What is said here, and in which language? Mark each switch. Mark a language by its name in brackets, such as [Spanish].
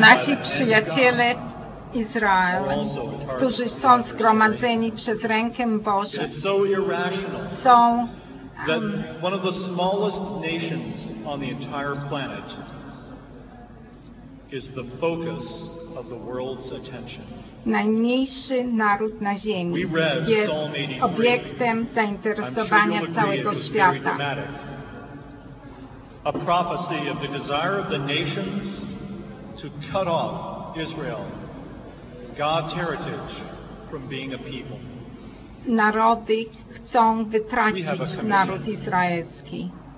[Polish] nasi przyjaciele Izraela, którzy są zgromadzeni przez rękę Bożą, są [English] that one of the smallest nations on the entire planet is the focus of the world's attention. [Polish] Najmniejszy naród na ziemi jest obiektem zainteresowania całego świata. [English] A prophecy of the desire of the nations to cut off Israel, God's heritage, from being a people. [Polish] Narody chcą wytracić naród izraelski.